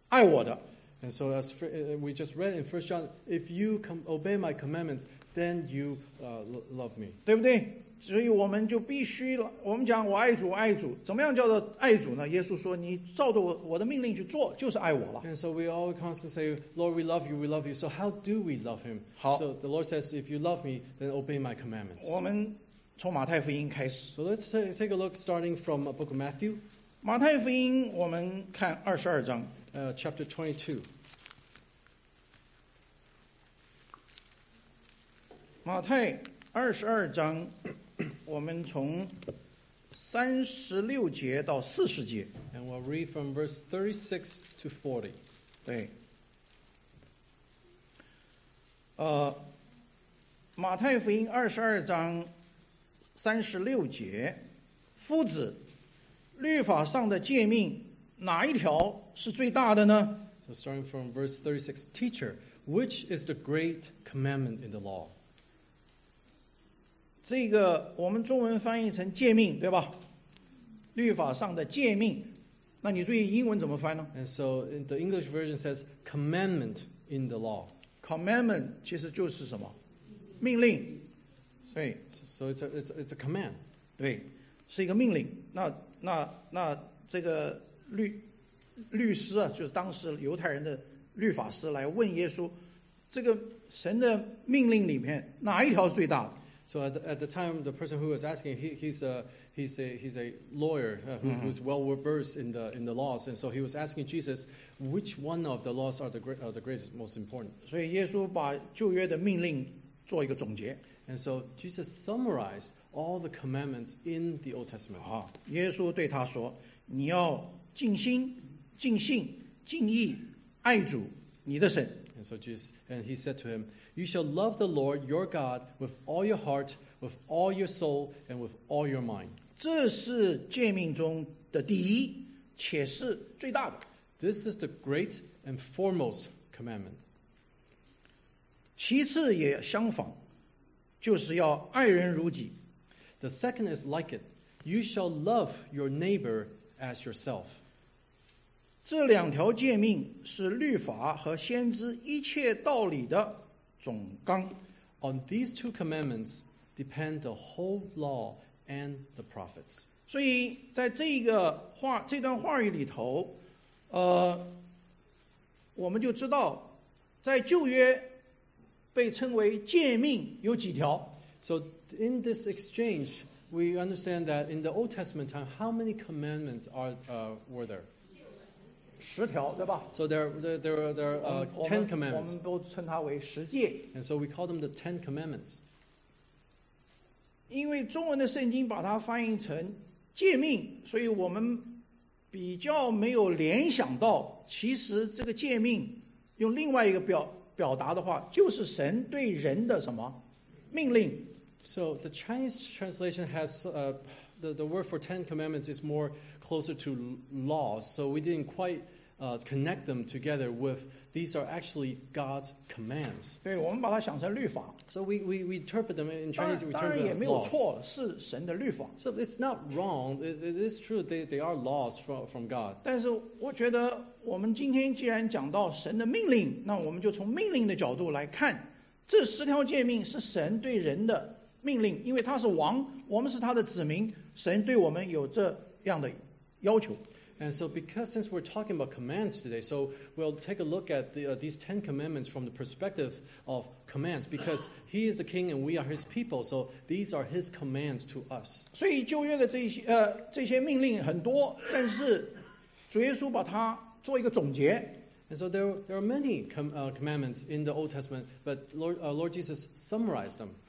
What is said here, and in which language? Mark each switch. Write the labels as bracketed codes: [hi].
[zh] 爱我的。 [en] And so as we just read in 1 John, if you obey my commandments, then you love me. [zh] 对不对？所以我们就必须了，我们讲我爱主，我爱主，怎么样叫做爱主呢？耶稣说，你照着我的命令去做，就是爱我了。 [en] And so we all constantly say, Lord, we love you, we love you. So how do we love him? [zh] 好。 [en] So the Lord says, if you love me, then obey my commandments. [zh] 我们从马太福音开始。 [en] So let's take a look starting from a book of Matthew. [zh] 马太福音我们看二十二章。 [en] Chapter 22. [zh] 马太二十二章，我们从三十六节到四十节。 [en] And we'll read from verse 36 to 40. [zh] 对，马太福音二十二章三十六节，夫子，律法上的诫命哪一条是最大的呢 [en] ？So starting from verse 36, teacher, which is the great commandment in the law? [zh] 这个我们中文翻译成诫命，对吧？律法上的诫命，那你注意英文怎么翻呢 [en] ？And so the English version says commandment in the law. [zh] Commandment 其实就是什么？命令。所以 [en] ，so it's a command. [zh] 对，是一个命令。那这个律师啊，就是当时犹太人的律法师来问耶稣，这个神的命令里面哪一条最大的？ [en] So at the time, the person who was asking, he's a lawyer who's well versed in the laws, and so he was asking Jesus, which one of the laws are the greatest, most important? [zh] 所以耶稣把旧约的命令做一个总结。 [en] And so Jesus summarized all the commandments in the Old Testament. [zh] 啊，耶稣对他说，你要尽心、尽性、尽意爱主你的神。 [en] And so Jesus, and he said to him, You shall love the Lord your God with all your heart, with all your soul, and with all your mind. [zh] 这是诫命中的第一，且是最大的。 [en] This is the great and foremost commandment. [zh] 其次也相仿，就是要爱人如己。 [en] The second is like it. You shall love your neighbor as yourself. [zh] 这两条诫命是律法和先知一切道理的总纲。 [en] On these two commandments depend the whole law and the prophets. [zh] 所以在这段话语里头，我们就知道在旧约被称为诫命有几条。 [en] So in this exchange, we understand that in the Old Testament time, how many commandments are, were there? [zh] 十条，对吧？ [en] So there are ten commandments. [zh] 我们都称它为十诫。 [en] And so we call them the ten commandments. [zh] 因为中文的圣经把它翻译成诫命，所以我们比较没有联想到，其实这个诫命用另外一个表达的话，就是神对人的什么？命令。 [en] So the Chinese translation has the word for Ten Commandments is more closer to laws. So we didn't quite connect them together with these are actually God's commands. [zh] 对，我们把它想成律法。 [en] So we interpret them in Chinese. We interpret them as laws. [zh] 当然也没有错，是神的律法。 [en] So it's not wrong. It is true. They are laws from God. [zh] 但是我觉得我们今天既然讲到神的命令，那我们就从命令的角度来看。这十条诫命是神对人的命令，因为他是王，我们是他的子民，神对我们有这样的要求。 [en] And so because since we're talking about commands today, so we'll take a look at these Ten Commandments from the perspective of commands, because he is the king and we are his people, so these are his commands to us. [zh] 所以旧约的这些命令很多，但是主耶稣把它做一个总结。 [en] And so there are many commandments in the Old Testament, but Lord Jesus summarized them.